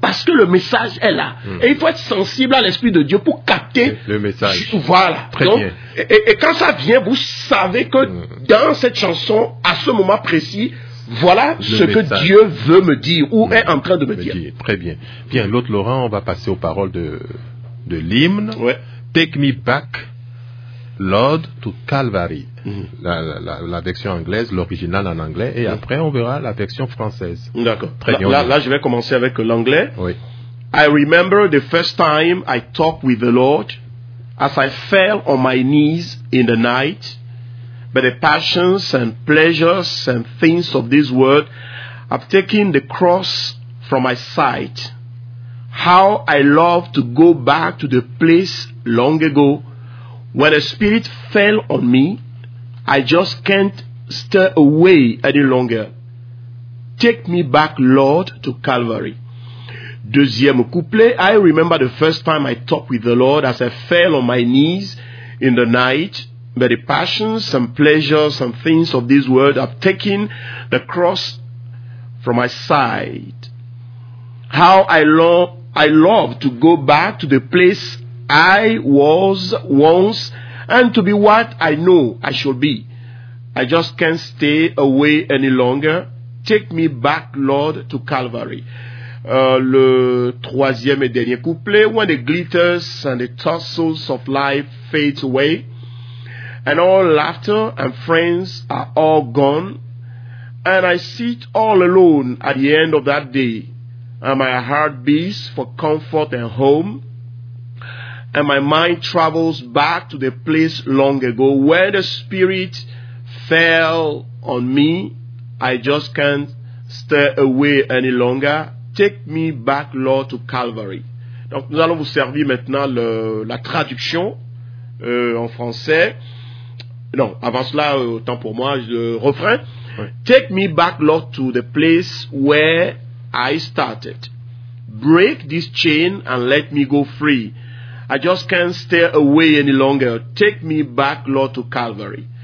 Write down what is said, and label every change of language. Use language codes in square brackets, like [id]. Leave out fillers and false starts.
[fr] Parce que le message est là. Et il faut être sensible à l'Esprit de Dieu pour capter le message. Voilà. Très donc, bien. Et quand ça vient, vous savez que dans cette chanson, à ce moment précis, voilà le ce message que Dieu veut me dire ou est en train de me dire. Très bien. Bien, l'autre Laurent, on va passer aux paroles de l'hymne. Ouais. [en] Take me back, Lord, to Calvary. [fr] La version anglaise, l'original en anglais, et après on verra la version française. D'accord. Très bien. Là, je vais commencer avec l'anglais. Oui. [en] I remember the first time I talked with the Lord as I fell on my knees in the night, but the passions and pleasures and things of this world have taken the cross from my sight. How I love to go back to the place long ago when the Spirit fell on me. I just can't stay away any longer. Take me back, Lord, to Calvary. [fr] Deuxième couplet. [en] I remember the first time I talked with the Lord as I fell on my knees in the night. But the passions and pleasures and things of this world have taken the cross from my side. How I love to go back to the place I was once and to be what I know I should be. I just can't stay away any longer. Take me back, Lord, to Calvary. [fr] Le troisième et dernier couplet. [en] When the glitters and the tassels of life fade away, and all laughter and friends are all gone, and I sit all alone at the end of that day, and my heart beats for comfort and home, and my mind travels back to the place long ago where the Spirit fell on me. I just can't stay away any longer. Take me back, Lord, to Calvary. [fr] Donc, nous allons vous servir maintenant la traduction en français. Non, avant cela, autant pour moi, le refrain. Oui. [en] Take me back, Lord, to the place where I started. Break this chain and let me go free. I just can't stay away any longer. Take me back, Lord, to Calvary.